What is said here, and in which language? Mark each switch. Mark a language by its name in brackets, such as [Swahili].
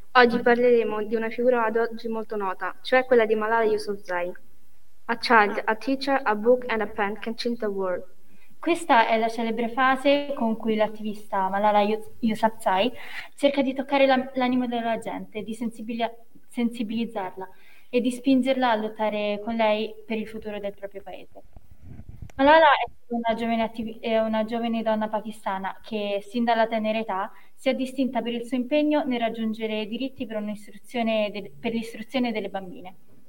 [Italian] Oggi parleremo di una figura ad oggi molto nota, cioè quella di Malala Yousafzai. [English] A child, a teacher, a book and a pen can change the world. [Italian] Questa è la celebre frase con cui l'attivista Malala Yousafzai cerca di toccare l'animo della gente, di sensibilizzarla e di spingerla a lottare con lei per il futuro del proprio paese. Malala è una giovane donna pakistana che, sin dalla tenera età, si è distinta per il suo impegno nel raggiungere diritti per un'istruzione per l'istruzione delle bambine.